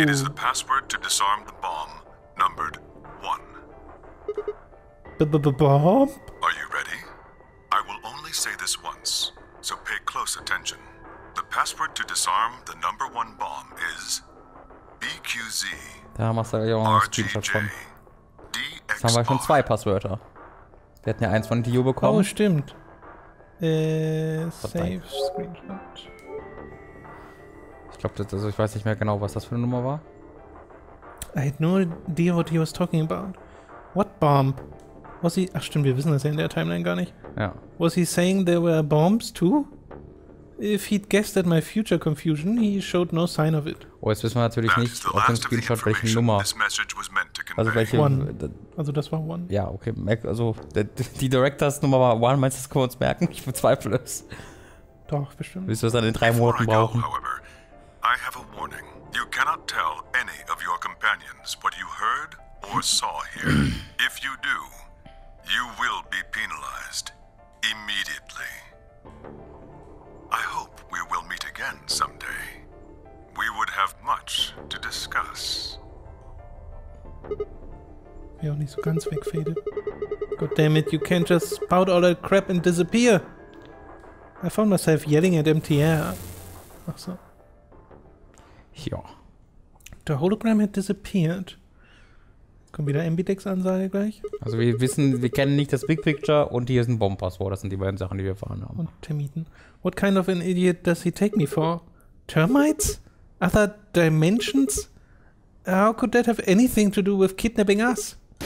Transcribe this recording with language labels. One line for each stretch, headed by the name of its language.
English: It is the password to disarm the bomb, numbered one. B-b-b-bomb? Are you ready? I will only say this once, so pay close attention. The password to disarm the number one bomb is BQZ.
German: Da machst du ja auch einen Screenshot von. Das haben wir schon zwei Passwörter. Wir hätten ja eins von Dio bekommen. Oh, stimmt. Save Screenshot. Ich glaube, also ich weiß nicht mehr genau, was das für eine Nummer war.
English: I had no idea what he was talking about. What bomb? Was he...
German: Ach stimmt, wir wissen das ja in der Timeline gar nicht. Ja.
English: Was he saying there were bombs too? If he'd guessed at my future confusion, he showed no sign of it.
German: Oh, jetzt wissen wir natürlich nicht auf dem Screenshot, welche Nummer. Also welche... One. Also das war One. Ja, okay. Also die Directors Nummer war One. Meinst du, das können wir uns merken? Ich bezweifle es. Doch, bestimmt. Willst du das dann in drei Monaten brauchen?
English: I have a warning. You cannot tell any of your companions what you heard or saw here. If you do, you will be penalized immediately. I hope we will meet again someday. We would have much to discuss.
German: Wir auch nicht so ganz wegfaded.
English: God damn it, you can't just spout all that crap and disappear. I found myself yelling at MTR.
German: Ach so. Ja.
English: The hologram had disappeared.
German: Kommt wieder Ambidex-Ansage gleich. Also wir wissen, wir kennen nicht das Big Picture und hier ist ein Bomb-Passwort. Das sind die beiden Sachen, die wir erfahren haben. Und Termiten.
English: What kind of an idiot does he take me for? Termites? Other dimensions? How could that have anything to do with kidnapping us?